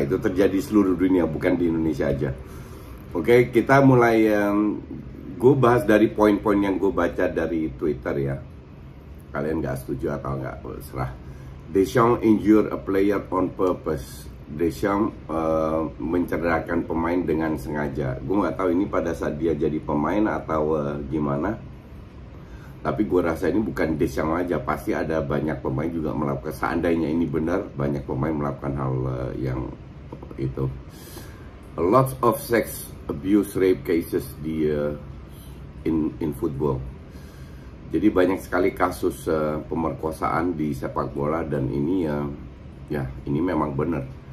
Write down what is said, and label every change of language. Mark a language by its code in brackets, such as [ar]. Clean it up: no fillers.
[id] Itu terjadi seluruh dunia, bukan di Indonesia aja. Oke, kita mulai. Gue bahas dari poin-poin yang gue baca dari Twitter ya. Kalian gak setuju atau gak, serah. [en] Deschamps injure a player on purpose. [id] Deschamps mencederakan pemain dengan sengaja. Gue gak tahu ini pada saat dia jadi pemain atau gimana. Tapi gue rasa ini bukan Deschamps aja, pasti ada banyak pemain juga melakukan. Seandainya ini benar, banyak pemain melakukan hal yang itu. [en] A lot of sex abuse rape cases in football. [id] Jadi banyak sekali kasus pemerkosaan di sepak bola, dan ini ya ini memang benar.